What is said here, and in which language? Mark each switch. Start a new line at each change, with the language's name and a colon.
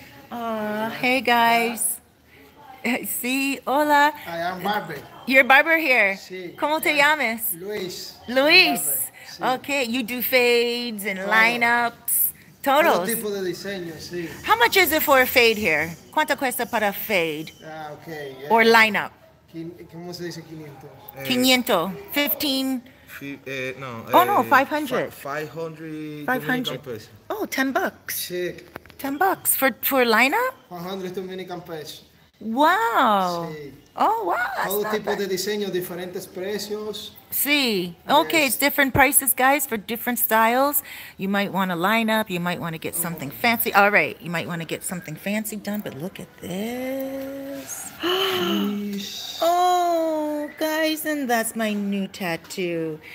English: Hey, guys. See,
Spanish: hola.
English: I am barber. You're a barber here.
Spanish: Si. ¿Cómo te llamas? Luis. Luis. Si.
English: Okay, you do fades and lineups.
Spanish: Todos. Todo tipo de diseño, si.
English: How much is it for a fade here?
Spanish: ¿Cuánto cuesta para fade?
English: Ah, okay. Yeah. Or lineup?
Spanish: ¿Cómo se dice 500? 500. 15? No. 500. 500.
English: Oh, $10.
Spanish: Si.
English: $10 for lineup? 100 Dominican pesos. Wow.
Spanish: Sí.
English: Oh, wow.
Spanish: Todo tipo de diseño, diferentes precios. Sí.
English: Okay, yes. It's different prices, guys, for different styles. You might want to line up. You might want to get something fancy. All right. You might want to get something fancy done, but look at this. Oh, guys, and that's my new tattoo.